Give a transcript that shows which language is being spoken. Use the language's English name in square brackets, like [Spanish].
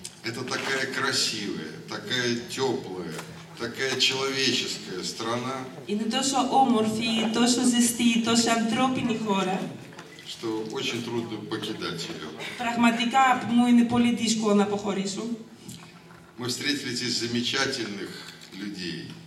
[Russian] Это такая красивая, такая теплая, такая человеческая страна. [Greek] Είναι τόσο όμορφη, τόσο ζεστή, τόσο ανθρώπινη χώρα. [Russian] Что очень трудно покидать ее. [Greek] Πραγματικά μου είναι πολύ δύσκολο να αποχωρήσω. [Russian] Мы встретили здесь замечательных людей.